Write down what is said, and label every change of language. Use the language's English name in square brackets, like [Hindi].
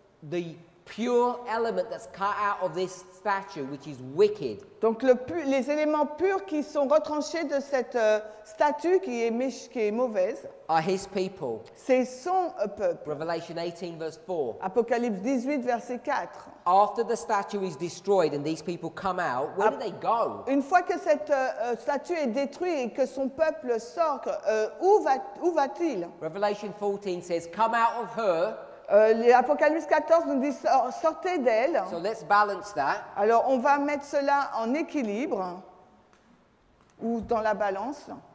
[English] The pure element that's cut out of this statue, which is wicked. [French] Donc les éléments purs qui sont retranchés de cette statue qui est mauvaise. [English] Are his people. [French] C'est son peuple. [English] Revelation 18 verse 4. [French] Apocalypse 18 verset 4. [English] After the statue is destroyed and these people come out, where do they go? [French] Une fois que cette statue est détruite et que son peuple sort, où va-t-il? [English] Revelation 14 says, come out of her. [French] L'Apocalypse 14 nous dit sortez d'elle. [English] So let's balance that. [French] Alors on va mettre cela en équilibre ou dans la balance.